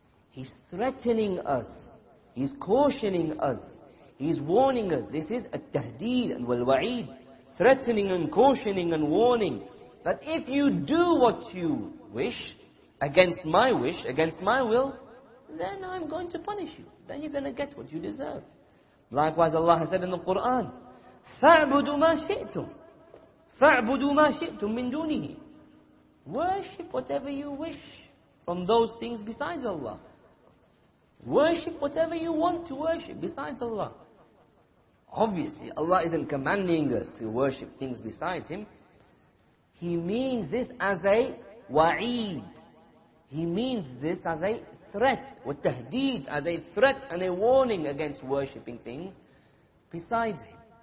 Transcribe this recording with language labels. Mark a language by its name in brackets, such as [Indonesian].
[English] He's threatening us, He's cautioning us, He's warning us. This is [Arabic] التهديد والوعيد, [English] threatening and cautioning and warning, that if you do what you wish, against my wish, against my will, then I'm going to punish you, then you're going to get what you deserve. Likewise, Allah has said in the Quran, [Arabic] فَاعْبُدُوا مَا شِئْتُمْ فَاعْبُدُوا مَا شِئْتُمْ مِنْ دُونِهِ. [English] Worship whatever you wish from those things besides Allah. Worship whatever you want to worship besides Allah. Obviously, Allah isn't commanding us to worship things besides Him. He means this as a wa'id. He means this as a threat, والتهديد, as a threat and a warning against worshipping things besides Him.